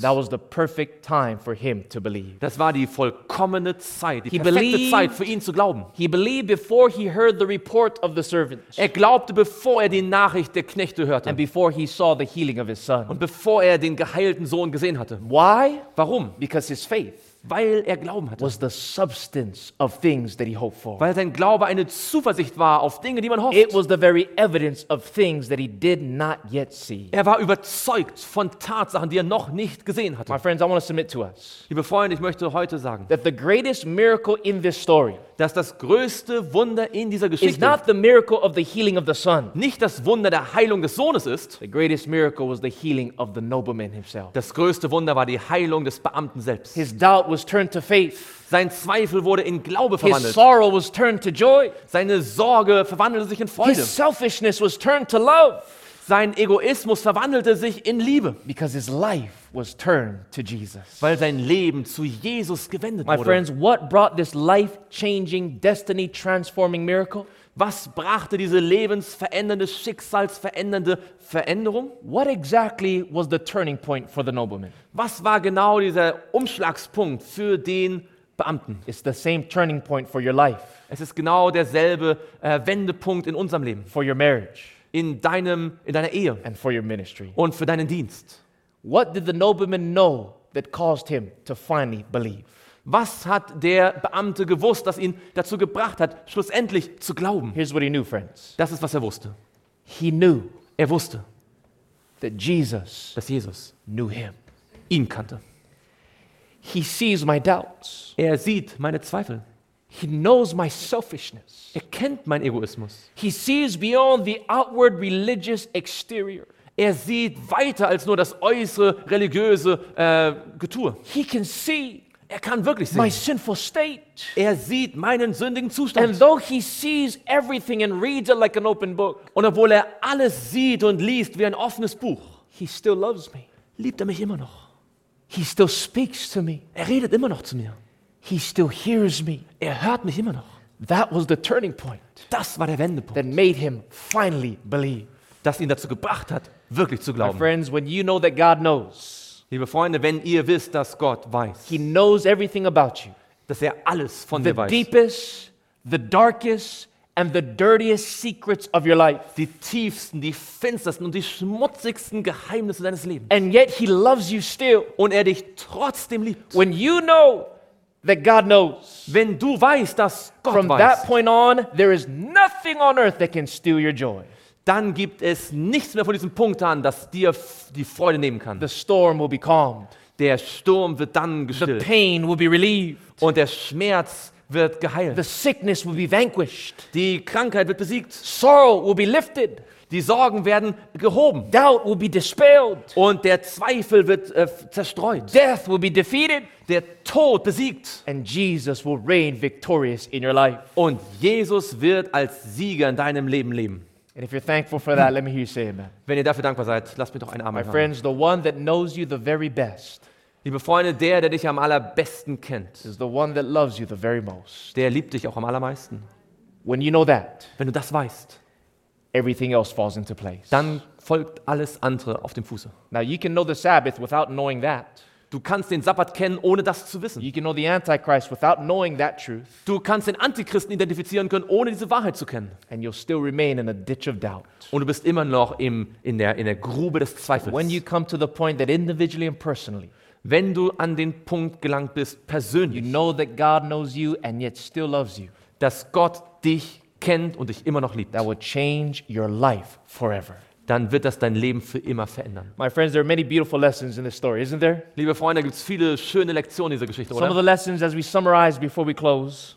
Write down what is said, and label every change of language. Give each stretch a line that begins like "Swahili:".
English: That was the perfect time for him to believe.
German: Das war die vollkommene Zeit, die perfekte Zeit für ihn zu glauben.
English: He believed before he heard the report of the servants.
German: Er glaubte, bevor er die Nachricht der Knechte hörte.
English: And before he saw the healing of his son.
German: Und bevor er den geheilten Sohn gesehen hatte.
English: Why?
German: Warum?
English: Because his faith,
German: weil er Glauben hatte,
English: was the substance of things that he hoped for.
German: Weil sein Glaube eine Zuversicht war auf Dinge, die man hofft.
English: It was the very evidence of things that he did not yet see.
German: Er war überzeugt von Tatsachen, die er noch nicht gesehen hatte.
English: My friends, I want to submit to us.
German: Liebe Freunde, ich möchte heute sagen,
English: that the greatest miracle in this story,
German: dass das größte Wunder in dieser Geschichte,
English: is not the miracle of the healing of the son,
German: nicht das Wunder der Heilung des Sohnes ist.
English: The greatest miracle was the healing of the nobleman himself.
German: Das größte Wunder war die Heilung des Beamten selbst.
English: His doubt was turned to faith.
German: Sein Zweifel wurde in Glaube verwandelt.
English: His sorrow was turned to joy.
German: Seine Sorge verwandelte sich in Freude.
English: His selfishness was turned to love.
German: Sein Egoismus verwandelte sich in Liebe.
English: Because his life was turned to Jesus.
German: Weil sein Leben zu Jesus gewendet wurde.
English: My friends, what brought this life-changing, destiny-transforming miracle?
German: Was brachte diese lebensverändernde, schicksalsverändernde Veränderung?
English: What exactly was the turning point for the nobleman?
German: Was war genau dieser Umschlagspunkt für den Beamten?
English: It's the same turning point for your life.
German: Es ist genau derselbe Wendepunkt in unserem Leben.
English: For your marriage.
German: In deiner Ehe.
English: And for your ministry.
German: Und für deinen Dienst.
English: What did the nobleman know that caused him to finally believe?
German: Was hat der Beamte gewusst, das ihn dazu gebracht hat, schlussendlich zu glauben?
English: Here's what he knew, friends.
German: Das ist, was er wusste.
English: He knew.
German: Er wusste.
English: That Jesus.
German: Dass Jesus.
English: Knew him.
German: Ihn kannte.
English: He sees my doubts.
German: Er sieht meine Zweifel.
English: He knows my selfishness.
German: Er kennt mein Egoismus.
English: He sees beyond the outward religious exterior.
German: Er sieht weiter als nur das äußere religiöse Getue.
English: He can see.
German: Er kann wirklich sehen.
English: My sinful state.
German: Er sieht meinen sündigen Zustand.
English: And though he sees everything and reads it like an open book.
German: Und obwohl er alles sieht und liest wie ein offenes Buch.
English: He still loves me.
German: Liebt er mich immer noch?
English: He still speaks to me.
German: Er redet immer noch zu mir.
English: He still hears me.
German: Er hört mich immer noch.
English: That was the turning point.
German: Das war der Wendepunkt.
English: That made him finally believe.
German: Das ihn dazu gebracht hat, wirklich zu glauben.
English: My friends, when you know that God knows.
German: Liebe Freunde, wenn ihr wisst, dass Gott weiß.
English: He knows everything about you.
German: Dass er alles von dir weiß.
English: The deepest, the darkest and the dirtiest secrets of your life.
German: Die tiefsten, die finstersten und die schmutzigsten Geheimnisse deines Lebens.
English: And yet he loves you still.
German: Und er dich trotzdem liebt.
English: When you know that God knows.
German: Wenn du weißt, dass Gott
English: from
German: weiß.
English: That point on, there is nothing on earth that can steal your joy.
German: Dann gibt es nichts mehr von diesem Punkt an, das dir die Freude nehmen kann.
English: The storm will be calmed.
German: Der Sturm wird dann gestillt.
English: The pain will be relieved.
German: Und der Schmerz wird geheilt.
English: The sickness will be vanquished.
German: Die Krankheit wird besiegt.
English: Sorrow will be lifted.
German: Die Sorgen werden gehoben.
English: Doubt will be dispelled.
German: Und der Zweifel wird zerstreut.
English: Death will be defeated.
German: Der Tod besiegt.
English: And Jesus will reign victorious in your life.
German: Und Jesus wird als Sieger in deinem Leben leben.
English: And if you're thankful for that, let me hear you say amen.
German: Wenn ihr dafür dankbar seid, lasst mich doch ein Amen hören.
English: My friends, the one that knows you the very best.
German: Liebe Freunde, der dich am allerbesten kennt.
English: Is the one that loves you the very most.
German: Der liebt dich auch am allermeisten.
English: When you know that.
German: Wenn du das weißt.
English: Everything else falls into place.
German: Dann folgt alles andere auf dem Fuße.
English: Now you can know the Sabbath without knowing that.
German: Du kannst den Sabbat kennen, ohne das zu wissen.
English: You can know the Antichrist without knowing that truth.
German: Du kannst den Antichristen identifizieren können, ohne diese Wahrheit zu kennen.
English: And you'll still remain in a ditch of doubt.
German: Und du bist immer noch in der Grube des Zweifels.
English: When you come to the point that individually and personally,
German: wenn du an den Punkt gelangt bist, persönlich,
English: you know that God knows you and yet still loves you.
German: Dass Gott dich kennt und dich immer noch liebt.
English: That will change your life forever.
German: Dann wird das dein Leben für immer verändern.
English: My friends, there are many beautiful lessons in this story, isn't there?
German: Liebe Freunde, gibt's viele schöne Lektionen in dieser Geschichte, oder?
English: Some of the lessons, as we summarize before we close,